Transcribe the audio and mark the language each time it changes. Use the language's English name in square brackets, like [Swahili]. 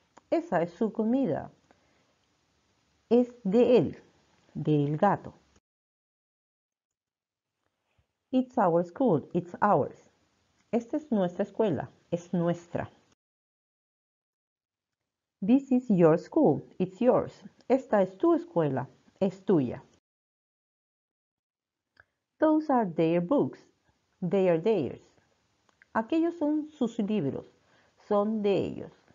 [Spanish] Esa es su comida, es de él, del gato. [English] It's our school, it's ours. [Spanish] Esta es nuestra escuela, es nuestra. [English] This is your school, it's yours. [Spanish] Esta es tu escuela, es tuya. [English] Those are their books, they are theirs. [Spanish] Aquellos son sus libros, son de ellos.